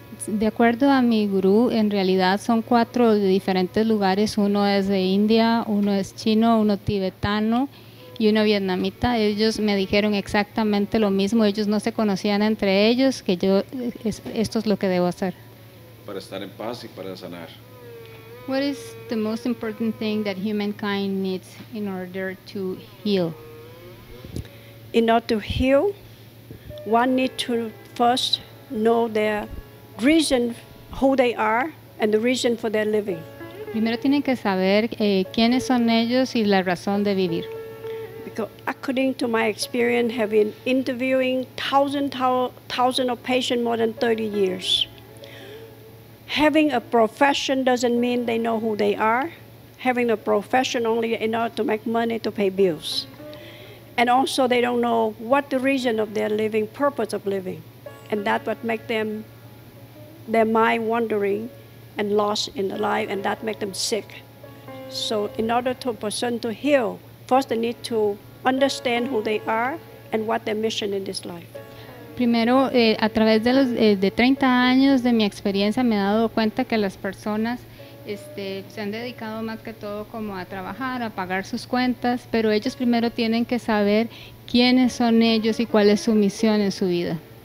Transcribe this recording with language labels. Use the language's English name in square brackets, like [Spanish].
[Spanish] De acuerdo a mi gurú, en realidad son cuatro de diferentes lugares. Uno es de India, uno es chino, uno tibetano y uno vietnamita. Ellos me dijeron exactamente lo mismo. Ellos no se conocían entre ellos, que yo, esto es lo que debo hacer. Para estar en paz y para sanar. [English] What is the most important thing that humankind needs in order to heal? In order to heal, one need to first know their reason who they are and the reason for their living. [Spanish] Primero tienen que saber quiénes son ellos y la razón de vivir. [English] Because according to my experience, have been interviewing thousands of patients more than 30 years. Having a profession doesn't mean they know who they are. Having a profession only in order to make money to pay bills. And also they don't know what the reason of their living, purpose of living. And that's what makes them their mind wandering and lost in the life, and that makes them sick. So in order to a person to heal, first they need to understand who they are and what their mission in this life. [Spanish] Primero, a través de los de 30 años de mi experiencia, me he dado cuenta que las personas se han dedicado más que todo como a trabajar, a pagar sus cuentas, pero ellos primero tienen que saber quiénes son ellos y cuál es su misión en su vida.